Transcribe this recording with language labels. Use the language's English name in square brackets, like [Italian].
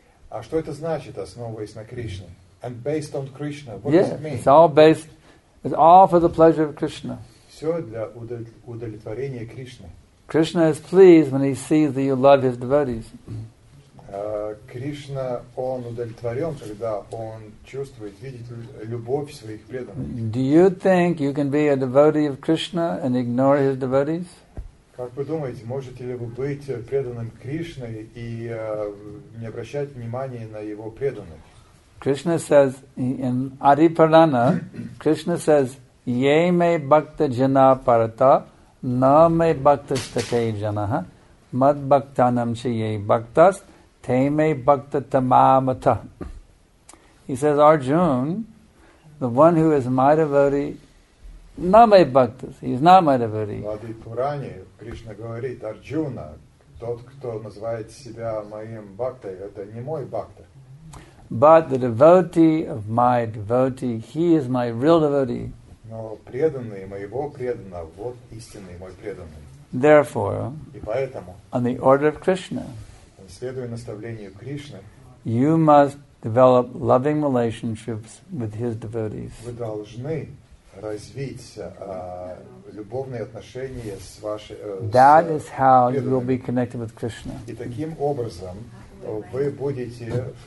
[Russian] А что это значит, основываясь на Кришне? [English] And based on Krishna, what yes, does it mean? It's all based, it's all for the pleasure of Krishna. [Russian] Все для удовлетворения Кришны. [English] Krishna is pleased when he sees that you love his devotees. [Russian] Кришна, он удовлетворен, когда он чувствует, видит любовь своих преданных. [English] Do you think you can be a devotee of Krishna and ignore his devotees? [Russian] Как вы думаете, можете ли вы быть преданным Кришне и не обращать внимания на его преданных? [English] Krishna says in Adi Purana, Krishna says, [Sanskrit] Yei me bhakta jana parata, na me bhakta state jana, mad bhaktanam se yei bhaktas, te me bhakta tamamata. [English] He says, Arjun, the one who is my devotee, [Sanskrit] na me bhaktas, [English] he is not my devotee. [Russian] В Адхи Пуране Кришна говорит, Арджуна, тот, кто называет себя моим бхактой, это не мой бхакта. [English] But the devotee of my devotee, he is my real devotee. [Russian] Но преданный моего преданного, вот истинный мой преданный. [English] Therefore, [Russian] и поэтому, [English] on the order of Krishna, [Russian] следуя наставлению Кришны, [English] you must develop loving relationships with his devotees. [Russian] Вы должны развить любовные отношения с вашей [English] That is how you will be connected with Krishna. [Russian] И таким образом вы будете